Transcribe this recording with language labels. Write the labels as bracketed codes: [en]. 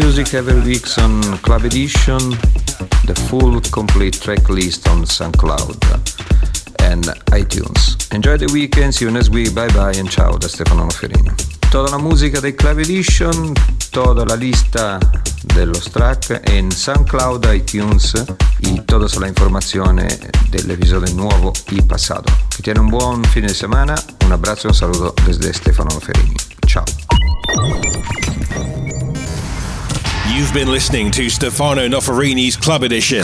[en] Every week on Club Edition, the full complete track list on SoundCloud and iTunes. Enjoy the weekend, see you next week, bye bye and [it] ciao da [en] Stefano Noferini. [it] Tutta la musica del Club Edition, tutta la lista dello track in SoundCloud, iTunes e tutta la informazione dell'episodio nuovo e passato. Che tiene un buon fine di settimana, un abbraccio e un saluto desde Stefano Noferini. Ciao. [en] You've been listening to Stefano Noferini's Club Edition.